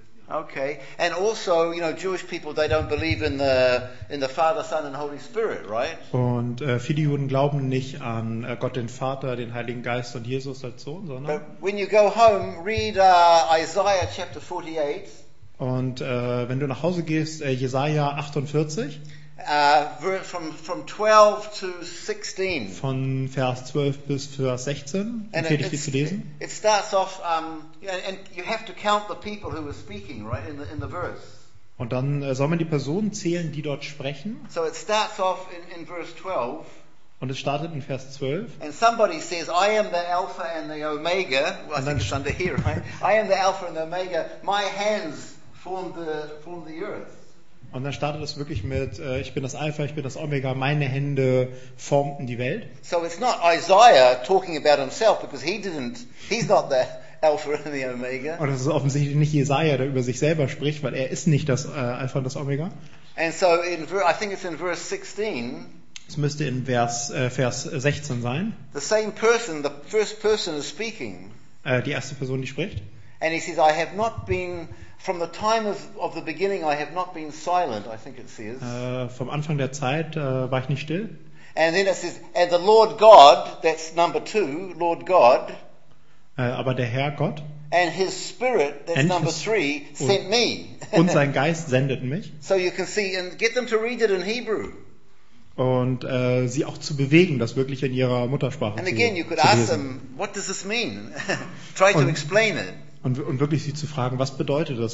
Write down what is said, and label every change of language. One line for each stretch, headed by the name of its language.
English: Okay, and also, you know, Jewish people, they don't believe in the Father, Son, and Holy Spirit, right?
German: Und viele Juden glauben nicht an Gott den Vater, den Heiligen Geist und Jesus als Sohn, sondern.
English: But when you go home, read Isaiah chapter 48.
German: Und wenn du nach Hause gehst, Jesaja 48.
English: From 12 to 16.
German: Von Vers 12 bis Vers 16 empfehle ich dir zu lesen.
English: It starts off, and you have to count the people who are speaking, right, in the verse.
German: Und dann soll man die Personen zählen, die dort sprechen.
English: So it starts off in verse 12.
German: Und es startet in Vers 12.
English: And somebody says, I am the Alpha and the Omega. Well, I think it's under here, right? I am the Alpha and the Omega. My hands formed the earth.
German: Und dann startet es wirklich mit ich bin das Alpha, ich bin das Omega, meine Hände formten die Welt.
English: So it's not Isaiah talking about himself because he's not the Alpha and the Omega.
German: Und es ist offensichtlich nicht Jesaja, der über sich selber spricht, weil er ist nicht das Alpha und das Omega.
English: And so in I think it's in verse 16.
German: Es müsste in Vers 16 sein.
English: The same person, the first person is speaking.
German: Die erste Person, die spricht.
English: And he says, I have not been from the time of the beginning I have not been silent, I think it says.
German: Vom Anfang der Zeit war ich nicht still.
English: And then it says, and the Lord God, that's number two, Lord God.
German: Aber der Herr Gott.
English: And his spirit, that's number three, sent me.
German: Und sein Geist sendet mich.
English: So you can see, and get them to read it in Hebrew.
German: Und sie auch zu bewegen, das wirklich in ihrer Muttersprache
English: and again,
German: zu lesen.
English: And again, you could ask them, what does this mean? Try to explain it.
German: Und wirklich sie zu fragen, was bedeutet das?